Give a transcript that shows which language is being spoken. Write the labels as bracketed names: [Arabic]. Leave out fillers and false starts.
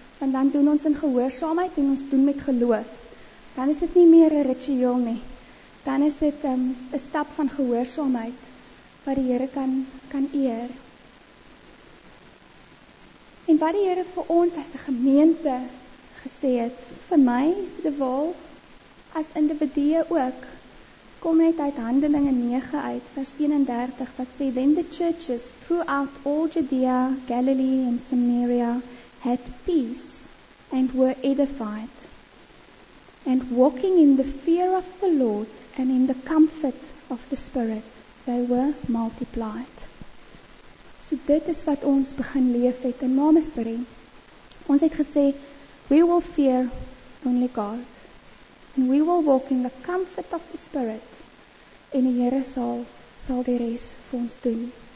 [Afrikaans] Want dan doen ons in gehoorsaamheid en ons doen met geloof. Dan is dit nie meer 'n ritueel nie. Dan is dit 'n stap van gehoorsaamheid, wat die Here kan eer. En wat die Here vir ons as 'n gemeente gesê het, vir my, De Waal, as individue ook, kom net uit Handelinge 9 uit, vers 31, wat sê, [English] "Then the churches throughout all Judea, Galilee and Samaria had peace and were edified, and walking in the fear of the Lord and in the comfort of the Spirit, they were multiplied." [Afrikaans] So dit is wat ons begin leef het in Malmesbury. Ons het gesê, [English] "We will fear only God. And we will walk in the comfort of the Spirit." [Afrikaans] En die Here sal die res vir ons doen.